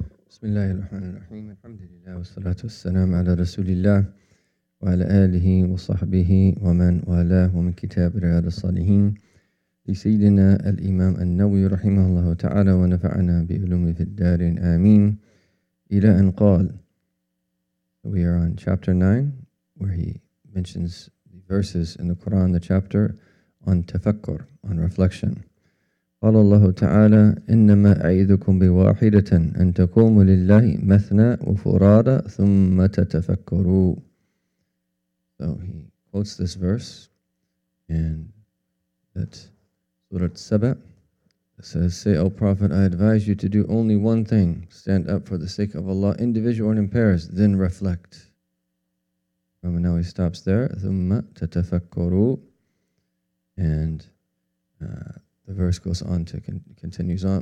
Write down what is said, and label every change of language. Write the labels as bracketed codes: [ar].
[ar] بسم الله الرحمن الرحيم الحمد لله والصلاة والسلام على رسول الله وعلى آله وصحبه ومن والاه ومن كتاب رياض الصالحين لسيدنا الإمام النووي رحمه الله تعالى ونفعنا بعلوم في الدار آمين إلى أن قال. [en] We are on chapter 9 where he mentions the verses in the Quran, the chapter on تفكر, on reflection. [ar] قال الله تعالى إنما أعيذكم بواحدة أن تقوموا لله مثنى وفرادى ثم تتفكروا. [en] So he quotes this verse and that Surah Sabah says, say, O Prophet, I advise you to do only one thing, stand up for the sake of Allah, individual and in pairs, then reflect. And now he stops there, [ar] ثم تتفكروا, [en] and the verse goes on to continues on.